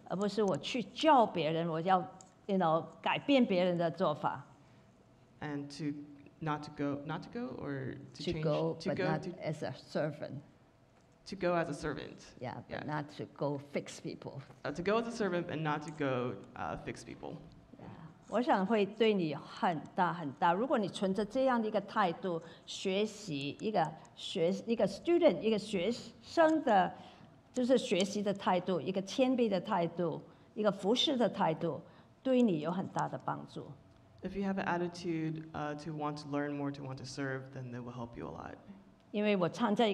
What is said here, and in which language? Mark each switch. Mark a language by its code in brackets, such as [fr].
[zh] 而不是我去叫别人，我要 [en] you know [zh] 改变别人的做法。 [en] And to not to go as a servant. To go as a servant. Yeah, but not to go fix people. To go as a servant and not to go fix people. [zh] 我想会对你很大很大。如果你存着这样的一个态度，学习一个 student 一个学生的，就是学习的态度，一个谦卑的态度，一个服侍的态度，对你有很大的帮助。 [en] If you have an attitude to want to learn more, to want to serve, then that will help you a lot.